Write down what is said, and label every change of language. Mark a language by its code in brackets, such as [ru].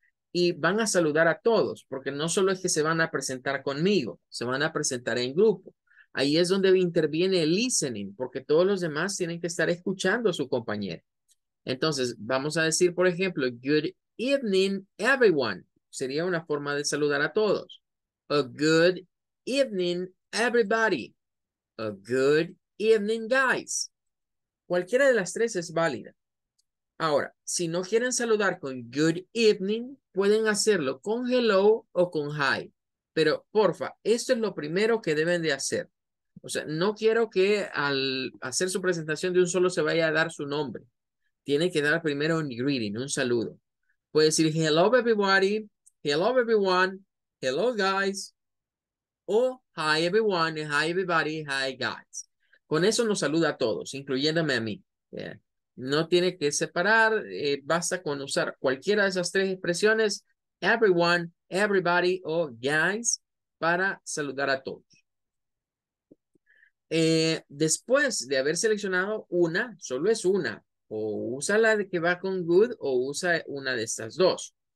[es] Y van a saludar a todos porque no solo es que se van a presentar conmigo, se van a presentar en grupo. Ahí es donde interviene el listening porque todos los demás tienen que estar escuchando a su compañero. Entonces, vamos a decir, por ejemplo, [en] good evening, everyone. [es] Sería una forma de saludar a todos. [en] A good evening, everybody. A good evening, guys. [es] Cualquiera de las tres es válida. Ahora, si no quieren saludar con good evening, pueden hacerlo con hello o con hi. Pero, porfa, esto es lo primero que deben de hacer. O sea, no quiero que al hacer su presentación de un solo se vaya a dar su nombre. Tiene que dar primero un greeting, un saludo. Puede decir [en] hello, everybody. Hello, everyone. Hello, guys. O, hi everyone, hi everybody, hi guys. [es] Con eso nos saluda a todos, incluyéndome a mí. Yeah. No tiene que separar, basta con usar cualquiera de esas tres expresiones, everyone, everybody o guys, para saludar a todos. Después de haber seleccionado una, solo es una, o usa la de que va con good o usa una de estas dos.